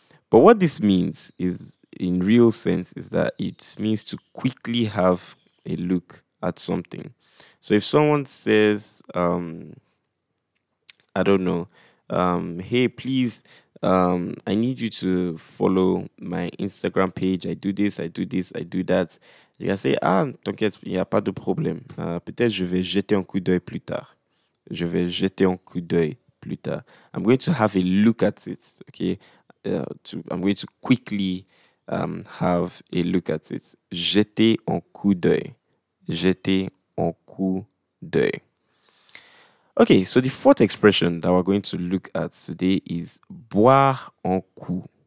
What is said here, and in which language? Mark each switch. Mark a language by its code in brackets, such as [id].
[en] But what this means is, in real sense, is that it means to quickly have a look at something. So if someone says, I don't know, hey, please, I need you to follow my Instagram page. I do this, I do this, I do that. You can say, [fr] ah, t'inquiète, il n'y a pas de problème. Peut-être je vais jeter un coup d'œil plus tard. Je vais jeter un coup d'œil plus tard. [en] I'm going to have a look at it, okay? I'm going to quickly have a look at it. [fr] Jeter un coup d'œil. Jeter un coup d'œil. [en] Okay, so the fourth expression that we're going to look at today is boire un coup.